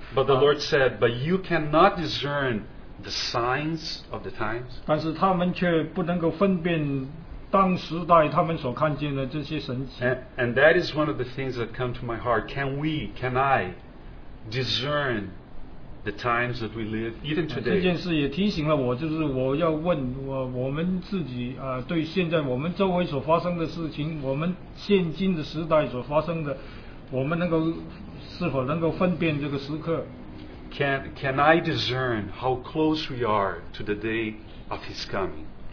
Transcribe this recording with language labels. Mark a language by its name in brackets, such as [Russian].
[English] But the Lord said, but you cannot discern the signs of the times. [Chinese] 但是他们却不能够分辨当时代他们所看见的这些神迹。 [English] And that is one of the things that come to my heart. Can I discern the times that we live, even today? [Chinese] 这件事也提醒了我，就是我要问我们自己，对现在我们周围所发生的事情，我们现今的时代所发生的，我们能够是否能够分辨这个时刻？ [English] Can I discern how close we are to the day of His coming?